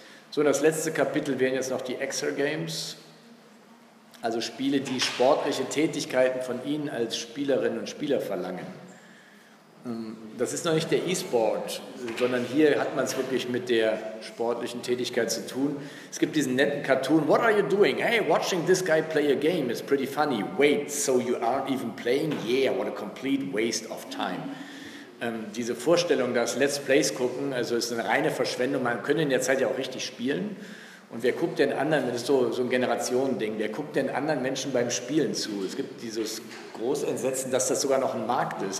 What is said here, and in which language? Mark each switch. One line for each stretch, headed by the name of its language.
German: So, das letzte Kapitel wären jetzt noch die Exergames, also Spiele, die sportliche Tätigkeiten von Ihnen als Spielerinnen und Spieler verlangen. Das ist noch nicht der E-Sport, sondern hier hat man es wirklich mit der sportlichen Tätigkeit zu tun. Es gibt diesen netten Cartoon,
English: what are you doing? Hey, watching this guy play a game is pretty funny. Wait, so you aren't even playing? Yeah, what a complete waste of time.
German: Diese Vorstellung, dass Let's Plays gucken, also ist eine reine Verschwendung, man könnte in der Zeit ja auch richtig spielen. Und wer guckt denn anderen, das ist so ein Generationending, wer guckt denn anderen Menschen beim Spielen zu? Es gibt dieses Großentsetzen, dass das sogar noch ein Markt ist.